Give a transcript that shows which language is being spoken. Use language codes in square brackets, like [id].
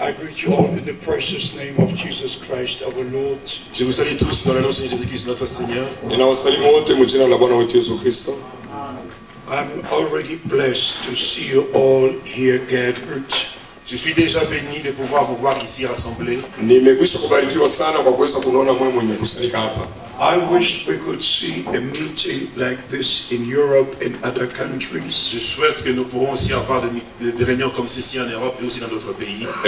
[en] I greet you all in the precious name of Jesus Christ, our Lord. [fr] Je vous salue tous dans le nom de Jésus-Christ, notre Seigneur. Et nous saluons tous les gens de la bonne nouvelle de Jésus-Christ. [en] I'm already blessed to see you all here gathered. [fr] Je suis déjà béni de pouvoir vous voir ici rassemblés. [sw] Ni mekwisha kubarikiwa sana kwa kuweza kuona mwenye kusanyika hapa. [en] I wish we could see a meeting like this in Europe and other countries. [fr] Je souhaite que nous pouvons aussi avoir des réunions comme ceci en Europe et aussi dans d'autres pays.